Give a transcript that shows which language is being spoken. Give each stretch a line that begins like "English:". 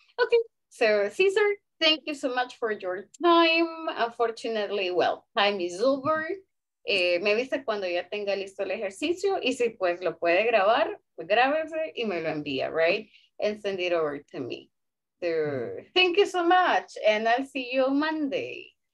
English: Okay, so Cesar, thank you so much for your time. Unfortunately, well, time is over.
Spanish: Me avisa cuando ya tenga listo el ejercicio y si pues lo puede grabar, pues grábese y me lo envía, right?
English: And send it over to me. So, thank you so much and I'll see you Monday.